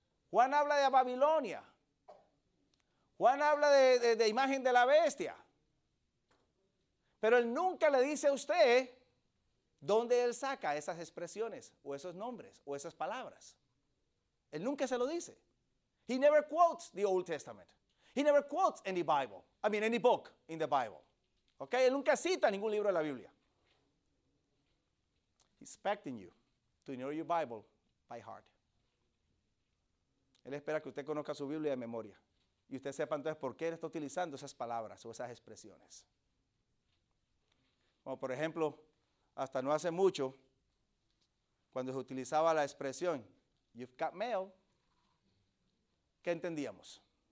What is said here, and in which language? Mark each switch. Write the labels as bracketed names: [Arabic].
[Spanish] Juan habla de Babilonia. Juan habla de imagen de la bestia. Pero él nunca le dice a usted dónde él saca esas expresiones o esos nombres o esas palabras. Él nunca se lo dice. [English] He never quotes the Old Testament. He never quotes any Bible. I mean, any book in the Bible. Okay? [Spanish] Él nunca cita ningún libro de la Biblia. [English] He's expecting you to know your Bible by heart. [Spanish] Él espera que usted conozca su Biblia de memoria. Y usted sepa entonces por qué él está utilizando esas palabras o esas expresiones. Como por ejemplo, hasta no hace mucho, cuando se utilizaba la expresión, [English] you've got mail, [Spanish] ¿qué entendíamos?